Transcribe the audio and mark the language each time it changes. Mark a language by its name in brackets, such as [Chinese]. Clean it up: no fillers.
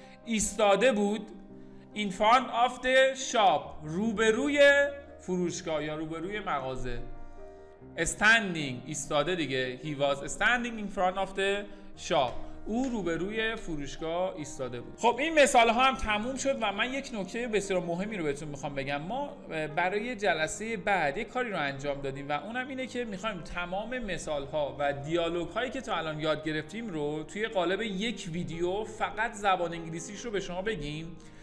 [Persian] ایستاده بود [English] in front of the shop، [Persian] روبروی فروشگاه یا روبروی مغازه. [English] Standing [Persian] ایستاده دیگه، [English] he was standing in front of the shop، [Persian] او روبروی فروشگاه ایستاده بود. خب این مثال ها هم تموم شد و من یک نکته بسیار مهمی رو بهتون میخوام بگم. ما برای جلسه بعد یک کاری رو انجام دادیم و اونم اینه که میخوایم تمام مثال ها و دیالوگ هایی که تا الان یاد گرفتیم رو توی قالب یک ویدیو فقط زبان انگلیسیش رو به شما بگیم